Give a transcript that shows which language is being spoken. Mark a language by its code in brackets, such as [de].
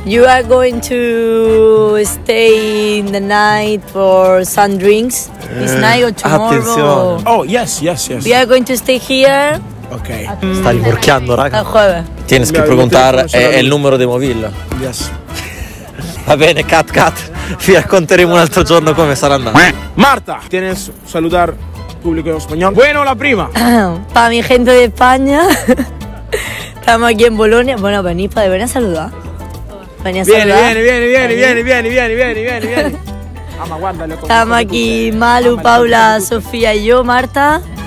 [en] You are going to stay in the night for some drinks? This night or tomorrow? [it] Attenzione. [en] Oh, yes, yes, yes. We are going to stay here. Ok. [it] Sta rimorchiando, raga. [es] Al jueves. Tienes que preguntar, [it] è il numero di Movil. [en] Yes. [it] Va bene, cut, cut. Vi racconteremo un altro giorno come sarà andato. [es] Marta, tienes saludar público en español. Bueno, la prima. Pa mi gente de España. Estamos aquí en Bologna. Bueno, vení, padre, ven a saludar. Vení a saludar. Viene, viene, viene, viene, viene, viene, viene, viene. Ama, guárdalo. Estamos aquí Malu, Paula, Sofía y yo, Marta.